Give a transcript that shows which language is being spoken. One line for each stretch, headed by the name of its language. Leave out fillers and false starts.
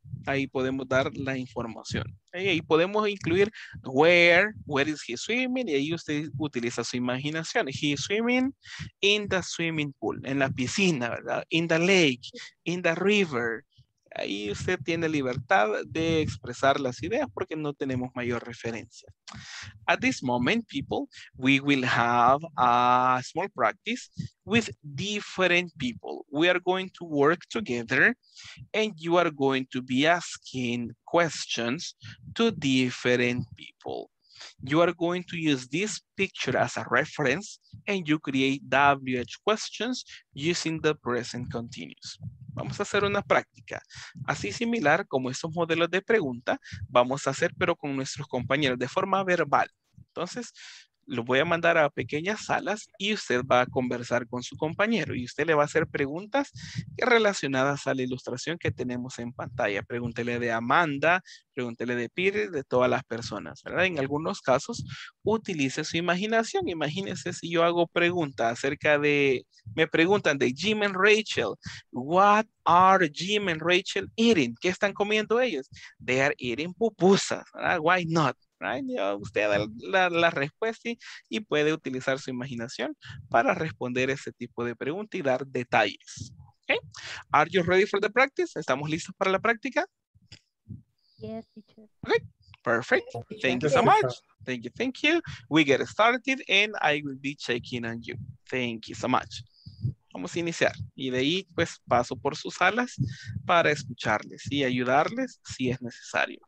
Spanish: Ahí podemos dar la información. Ahí podemos incluir
English: where is he swimming,
Spanish: y ahí usted utiliza su imaginación.
English: He is swimming in the swimming pool,
Spanish: en la piscina, ¿verdad?
English: In the lake, in the river.
Spanish: Ahí usted tiene libertad de expresar las ideas porque no tenemos mayor referencia.
English: At this moment, people, we will have a small practice with different people. We are going to work together and you are going to be asking questions to different people. You are going to use this picture as a reference and you create WH questions using the present continuous.
Spanish: Vamos a hacer una práctica. Así similar como estos modelos de pregunta, vamos a hacer pero con nuestros compañeros de forma verbal. Entonces, lo voy a mandar a pequeñas salas y usted va a conversar con su compañero y usted le va a hacer preguntas relacionadas a la ilustración que tenemos en pantalla. Pregúntele de Amanda, pregúntele de Peter, de todas las personas, ¿verdad? En algunos casos, utilice su imaginación. Imagínese si yo hago pregunta acerca de, me preguntan de Jim and Rachel.
English: What are Jim and Rachel eating?
Spanish: ¿Qué están comiendo ellos?
English: They are eating pupusas,
Spanish: ¿verdad?
English: Why not? Right?
Spanish: Usted da la respuesta y puede utilizar su imaginación para responder ese tipo de pregunta y dar detalles.
English: Okay? Are you ready for the practice?
Spanish: ¿Estamos listos para la práctica?
English: Yes, teacher. Okay. Perfect. Thank you so much. Thank you. We get started and I will be checking on you. Thank you so much.
Spanish: Vamos a iniciar y de ahí pues paso por sus salas para escucharles y ayudarles si es necesario.